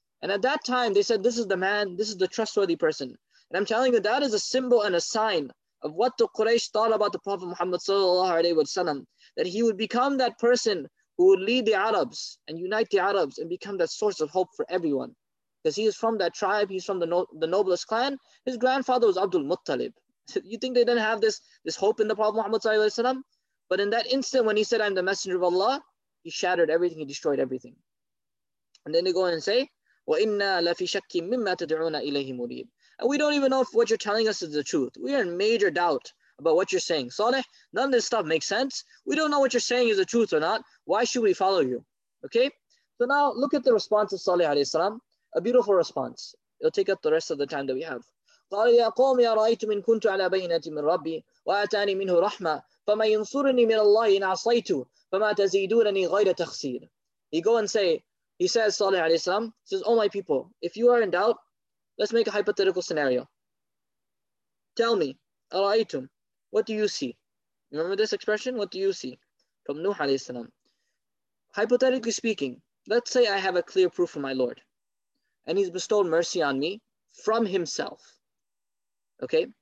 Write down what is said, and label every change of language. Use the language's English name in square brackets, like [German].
[English] And at that time, they said, this is the man, this is the trustworthy person. And I'm telling you, that is a symbol and a sign of what the Quraysh thought about the Prophet Muhammad Sallallahu Alaihi Wasallam, that he would become that person who would lead the Arabs and unite the Arabs and become that source of hope for everyone. Because he is from that tribe, he's from the noblest clan. His grandfather was Abdul Muttalib. You think they didn't have this hope in the Prophet Muhammad Sallallahu Alaihi Wasallam? But in that instant when he said, I'm the messenger of Allah, he shattered everything, he destroyed everything. And then they go and say, [Arabic] وَإِنَّا لَفِي شَكِّ مِمَّا تَدْعُونَ إِلَيْهِ مُرِيبٍ. [English] And we don't even know if what you're telling us is the truth. We are in major doubt about what you're saying. Saleh, none of this stuff makes sense. We don't know what you're saying is the truth or not. Why should we follow you? Okay? So now look at the response of Saleh Alaihi Wasallam. A beautiful response. It'll take up the rest of the time that we have. [Arabic] قال يا قوم يا رأيتم إن كنت على بينة من ربي وأتاني منه رحمة فما ينصرني من الله إن عصيت فما تزيدونني غير تخسير. [English] He go and say, He says, Salih alayhi salam, says, oh my people, if you are in doubt, let's make a hypothetical scenario. Tell me, Araitum, what do you see? Remember this expression? What do you see? From Nuh alayhi salam. Hypothetically speaking, let's say I have a clear proof from my Lord, and he's bestowed mercy on me from himself. Okay?